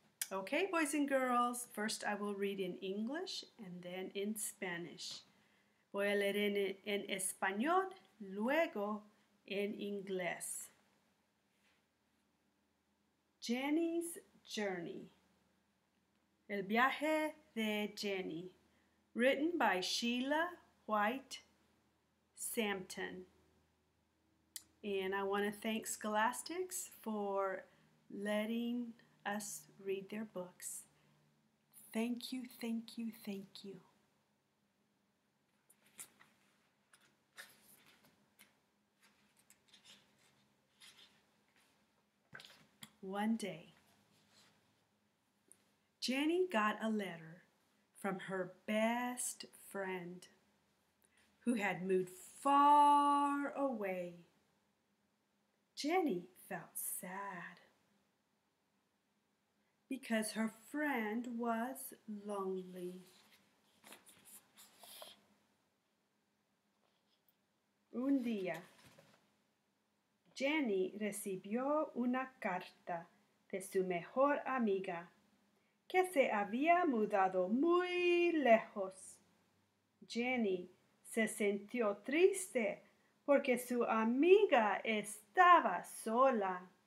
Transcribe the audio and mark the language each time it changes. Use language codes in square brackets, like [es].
[en] Okay, boys and girls, first I will read in English and then in Spanish. [es] Voy a leer en español, luego en inglés. [en] Jenny's Journey. [es] El viaje de Jenny. [en] Written by Sheila White Sampton. And I want to thank Scholastics for letting us read their books. Thank you, thank you, thank you. One day, Jenny got a letter from her best friend who had moved far away. Jenny felt sad because her friend was lonely. [es] Un día, Jenny recibió una carta de su mejor amiga que se había mudado muy lejos. Jenny se sintió triste porque su amiga estaba sola.